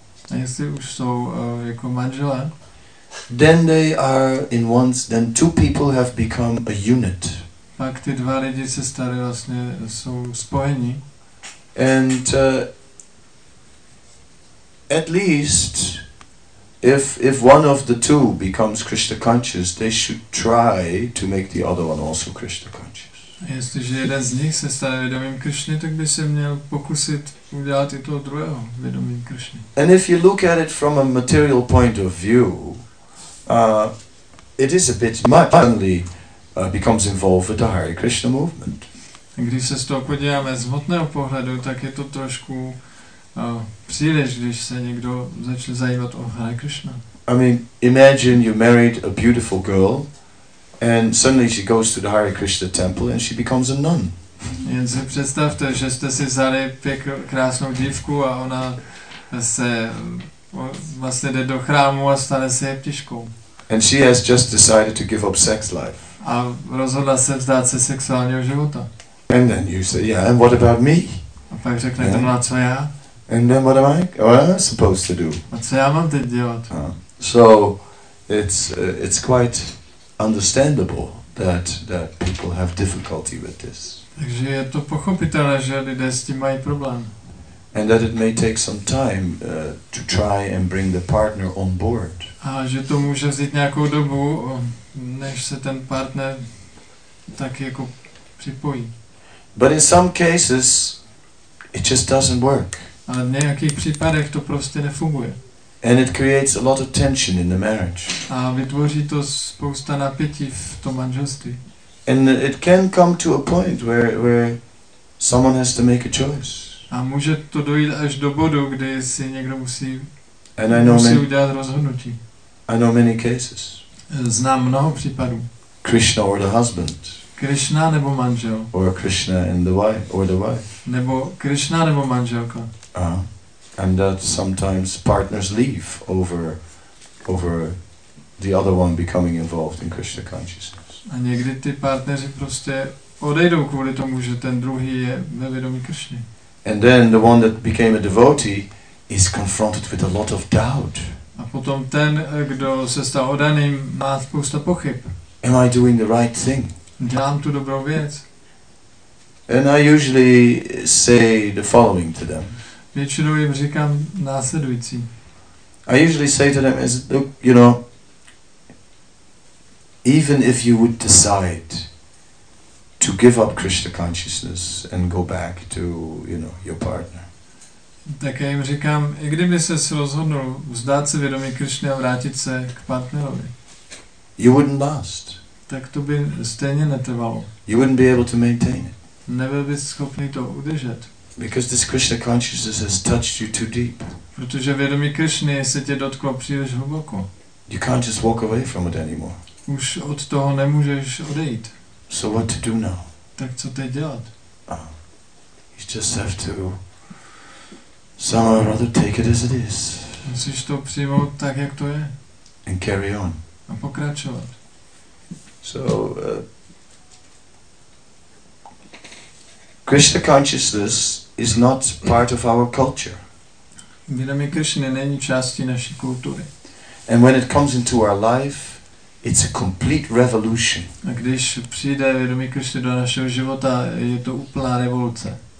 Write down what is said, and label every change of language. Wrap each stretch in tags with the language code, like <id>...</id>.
<cs>A jestli už jsou jako manželé.</cs> <en>Then they are in once, then two people have become a unit.</en> <cs>Pak ty dva lidi se staré vlastně jsou spojení.</cs> <en>And at least if one of the two becomes Krishna conscious, they should try to make the other one also Krishna conscious.</en> <cs>Jestliže jeden z nich se stane vědomým Krishny, tak by se měl pokusit udělat i toho druhého vědomým Krishny.</cs> <en>And if you look at it from a material point of view, it is a bit much only becomes involved with the Hare Krishna movement.</en> <cs>Když se z toho podíváme z hmotného pohledu, tak je to trošku příliš, když se někdo začne zajímat o Hare Krishna.</cs> <en>I mean, imagine you married a beautiful girl and suddenly she goes to the Hare Krishna temple and she becomes a nun.</en> <cs>Jen si představte, že jste si vzali krásnou dívku a ona se vlastně jde do chrámu a stane se jeptiškou.</cs> <en>And she has just decided to give up sex life.</en> <cs>A rozhodla se vzdát se sexuálního života.</cs> <en>And then you say, yeah, and what about me?</en> <cs>A pak řekne, yeah. No, co já?</cs> <en>And then what am I supposed to do?</en> <cs>A co já mám teď dělat?</cs> <en>So it's quite understandable that people have difficulty with this.</en> <cs>Takže je to pochopitelné, že lidé s tím mají problém.</cs> <en>And that it may take some time to try and bring the partner on board.</en> <cs>A že to může vzít nějakou dobu, než se ten partner tak jako připojí.</cs> <en>But in some cases it just doesn't work.</en> <cs>A v nějakých případech to prostě nefunguje.</cs> <en>And it creates a lot of tension in the marriage.</en> <cs>A vytvoří to spousta napětí v tom manželství.</cs> <en>And it can come to a point where someone has to make a choice.</en> <cs>A může to dojít až do bodu, kdy si někdo musí udělat rozhodnutí.</cs> <en>I know many cases.</en> <cs>Znám mnoho případů.</cs> <en>Krishna or the husband.</en> <cs>Krishna nebo manžel.</cs> <en>Or Krishna and the wife or the wife.</en> <cs>Nebo Krishna nebo manželka.</cs> <en>And that sometimes partners leave over the other one becoming involved in Krishna consciousness.</en> <cs>A někdy ty partneři prostě odejdou kvůli tomu, že ten druhý je ve vědomí Krishny.</cs> <en>And then the one that became a devotee is confronted with a lot of doubt.</en> <cs>A potom ten, kdo se stal oddaným, má spousta pochyb.</cs> <en>Am I doing the right thing?</en> <cs>Dělám tu dobrou věc.</cs> <en>And I usually say the following to them.</en> <cs>Většinou jim říkám následující.</cs> <en>I usually say to them, look, you know, even if you would decide to give up Krishna consciousness and go back to, you know, your partner.</en> <cs>Tak já jim říkám, i kdyby ses rozhodnul vzdát se vědomí Krišny a vrátit se k partnerovi.</cs> <en>You wouldn't last.</en> <cs>Tak to by stejně netrvalo.</cs> <en>You wouldn't be able to maintain it.</en> <cs>Nebyl bys schopný to udržet.</cs> <en>Because this Krishna consciousness has touched you too deep.</en> <cs>Protože vědomí Krišny se tě dotklo příliš hluboko.</cs> <en>You can't just walk away from it anymore.</en> <cs>Už od toho nemůžeš odejít.</cs> <en>So what to do now?</en> <cs>Tak co teď dělat?</cs> <en>You just have to somehow or other take it as it is.</en> <cs>Musíš to přijmout tak, jak to je.</cs> <en>And carry on.</en> <cs>A pokračovat.</cs> <en>So, Krishna consciousness is not part of our culture.</en> <cs>Vědomí Krishna není částí naší kultury.</cs> <en>And when it comes into our life, it's a complete revolution.</en> <cs>A když přijde vědomí Krishna do našeho života, je to úplná revoluce.</cs>